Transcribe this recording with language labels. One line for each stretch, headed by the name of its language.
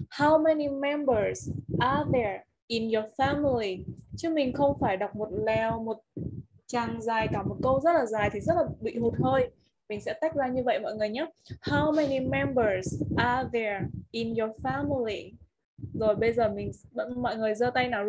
English: How many members are there in your family?
Vietnamese: Chứ mình không phải đọc một lèo, một tràng dài, cả một câu rất là dài thì rất là bị hụt hơi. Mình sẽ tách ra như vậy mọi người nhé.
English: How many members are there in your family?
Vietnamese: Rồi bây giờ mọi người giơ tay nào.